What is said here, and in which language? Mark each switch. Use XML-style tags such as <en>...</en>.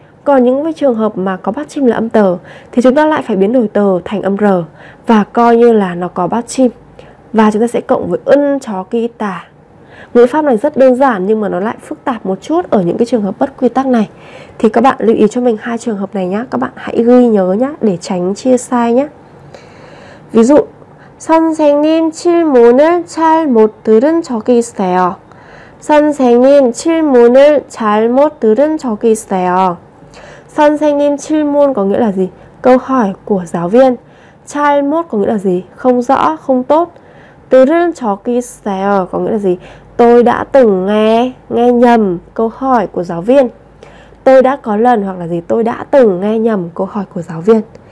<vi>Còn những cái trường hợp mà có bát chim là âm tờ thì chúng ta lại phải biến đổi tờ thành âm r. Và coi như là nó có bát chim. Và chúng ta sẽ cộng với ân chó ký tà. Ngữ pháp này rất đơn giản nhưng mà nó lại phức tạp một chút ở những cái trường hợp bất quy tắc này. Thì các bạn lưu ý cho mình hai trường hợp này nhá, các bạn hãy ghi nhớ nhá để tránh chia sai nhá.</vi> <ko>Ví dụ, 선생님 질문을 잘못 들은 적이 있어요. 선생님 질문을 잘못 들은 적이 있어요. 선생님 질문</ko> <vi>có nghĩa là gì? Câu hỏi của giáo viên. 잘못 có nghĩa là gì? Không rõ, không tốt.</vi> <ko>들은 적이 있어요</ko> <vi>có nghĩa là gì? Tôi đã từng nghe nhầm câu hỏi của giáo viên. Tôi đã có lần hoặc là gì? Tôi đã từng nghe nhầm câu hỏi của giáo viên.</vi>